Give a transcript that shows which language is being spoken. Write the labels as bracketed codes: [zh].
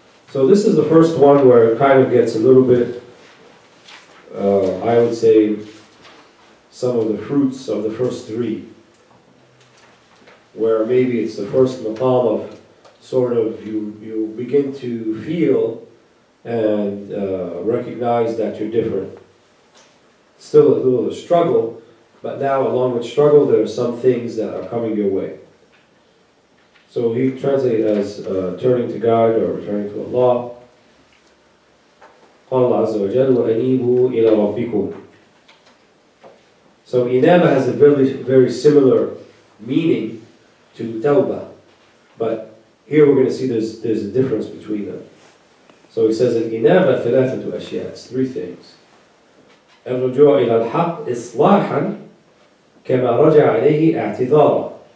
[en] So this is the first one where it kind of gets a little bit. I would say some of the fruits of the first three, where maybe it's the first maqam of sort of you begin to feel and recognize that you're different. Still a little struggle, but now along with struggle, there are some things that are coming your way. So he translates as turning to God or returning to Allah. [ar] قال الله عز وجل وأنيبوا إلى ربكم. [en] So inaba has a very similar meaning to tawbah, but Here we're going to see there's a difference between them. So he says that [ar] inaba thalathatu ashiyah, [en] it's three things. [ar] Ar-ruju' ila al-haq islahan kama raja' alayhi i'tidara.